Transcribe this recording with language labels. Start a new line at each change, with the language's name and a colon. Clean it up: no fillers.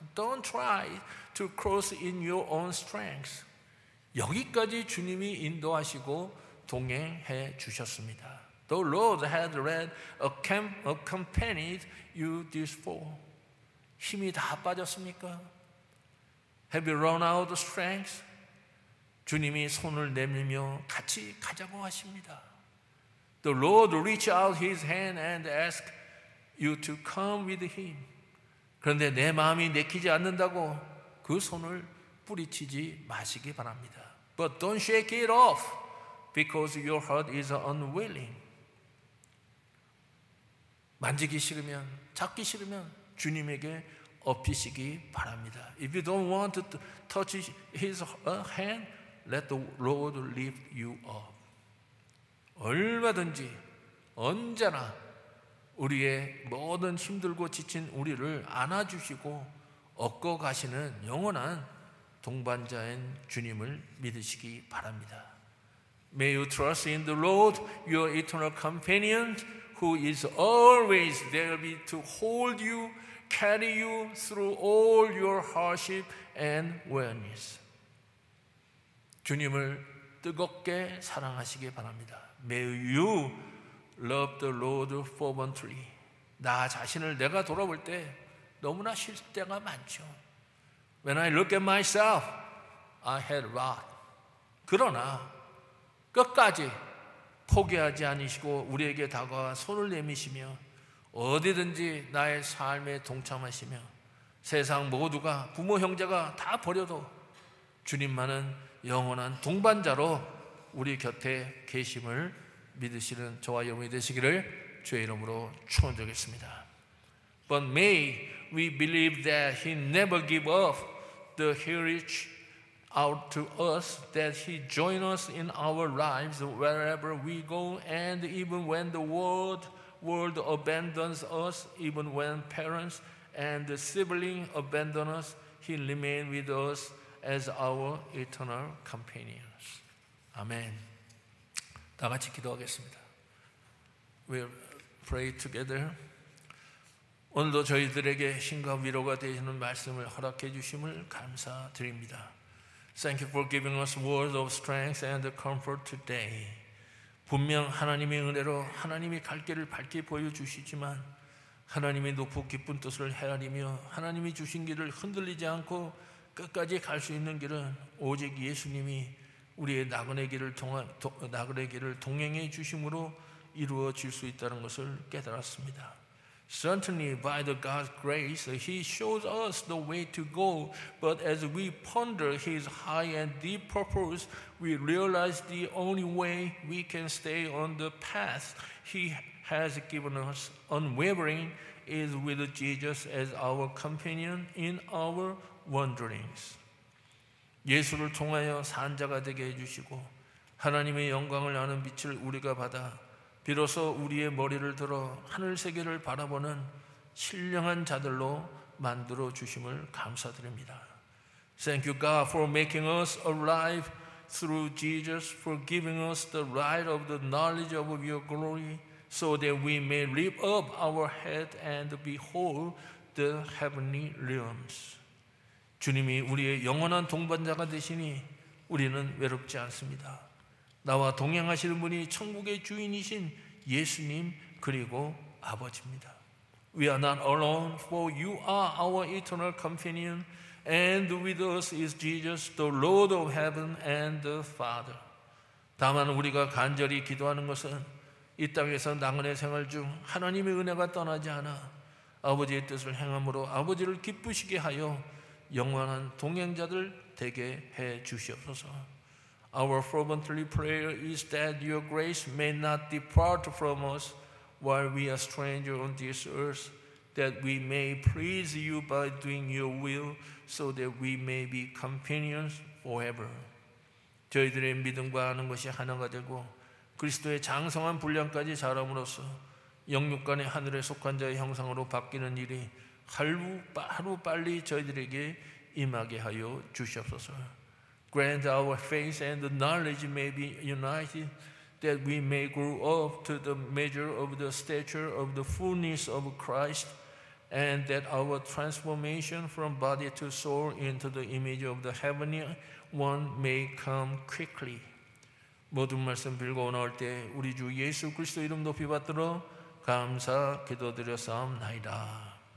English: Don't try to cross in your own strength.
Korean: 여기까지 주님이 인도하시고 동행해 주셨습니다.
English: The Lord had led accompanied you this far.
Korean: 힘이 다 빠졌습니까?
English: Have you run out of strength?
Korean: 주님이 손을 내밀며 같이 가자고 하십니다.
English: The Lord reached out his hand and asked you to come with him.
Korean: 그런데 내 마음이 내키지 않는다고 그 손을 뿌리치지 마시기 바랍니다.
English: But don't shake it off because your heart is unwilling.
Korean: 만지기 싫으면, 잡기 싫으면 주님에게 엎이시기 바랍니다.
English: If you don't want to touch his hand, let the Lord lift you up.
Korean: 얼마든지 언제나 우리의 모든 힘들고 지친 우리를 안아주시고 엮어가시는 영원한 동반자인 주님을 믿으시기 바랍니다.
English: May you trust in the Lord, your eternal companion, who is always there to hold you, carry you through all your hardship and weariness.
Korean: 주님을 뜨겁게 사랑하시기 바랍니다.
English: May you love the Lord fervently.
Korean: 나 자신을 내가 돌아볼 때 너무나 실수가 많죠.
English: When I look at myself, I had wrath.
Korean: 그러나 끝까지 포기하지 않으시고 우리에게 다가와 손을 내미시며 어디든지 나의 삶에 동참하시며 세상 모두가 부모 형제가 다 버려도 주님만은 영원한 동반자로 우리 곁에 계심을 믿으시는 저와 여러분이 되시기를 주의 이름으로 축원드리겠습니다.
English: But may we believe that he never give up the heritage out to us, that he join us in our lives wherever we go, and even when the world abandons us, even when parents and siblings abandon us, he remain with us as our eternal companions. Amen.
Korean: 다 같이 기도하겠습니다.
English: We'll pray together.
Korean: 오늘도 저희들에게 힘과 위로가 되시는 말씀을 허락해 주심을 감사드립니다.
English: Thank you for giving us words of strength and comfort today.
Korean: 분명 하나님의 은혜로 하나님이 갈 길을 밝게 보여주시지만 하나님이 높고 깊은 뜻을 헤아리며 하나님이 주신 길을 흔들리지 않고 끝까지 갈 수 있는 길은 오직 예수님이 우리의 나그네 길을 동행해 주심으로 이루어질 수 있다는 것을 깨달았습니다.
English: Certainly by the God's grace, he shows us the way to go. But as we ponder his high and deep purpose, we realize the only way we can stay on the path he has given us unwavering is with Jesus as our companion in our wanderings.
Korean: 예수를 통하여 산 자가 되게 해주시고 하나님의 영광을 아는 빛을 우리가 받아 비로소 우리의 머리를 들어 하늘 세계를 바라보는 신령한 자들로 만들어 주심을 감사드립니다.
English: Thank you God for making us alive through Jesus, for giving us the light of the knowledge of your glory so that we may lift up our head and behold the heavenly realms.
Korean: 주님이 우리의 영원한 동반자가 되시니 우리는 외롭지 않습니다. 나와 동행하시는 분이 천국의 주인이신 예수님 그리고 아버지입니다.
English: We are not alone, for you are our eternal companion, and with us is Jesus, the Lord of heaven and the Father.
Korean: 다만 우리가 간절히 기도하는 것은 이 땅에서 나그네 생활 중 하나님의 은혜가 떠나지 않아 아버지의 뜻을 행함으로 아버지를 기쁘시게 하여 영원한 동행자들 되게 해 주시옵소서.
English: Our fervently prayer is that your grace may not depart from us while we are strangers on this earth, that we may please you by doing your will so that we may be companions forever.
Korean: 저희들의 믿음과 아는 것이 하나가 되고 그리스도의 장성한 분량까지 자람으로써 영육 간의 하늘에 속한 자의 형상으로 바뀌는 일이 하루 빨리 저희들에게 임하게 하여 주시옵소서.
English: Grant our faith and the knowledge may be united, that we may grow up to the measure of the stature of the fullness of Christ, and that our transformation from body to soul into the image of the heavenly one may come quickly.
Korean: 모든 말씀 빌고 나올 때 우리 주 예수 그리스도 이름 높이 받들어 감사 기도드렸사옵나이다.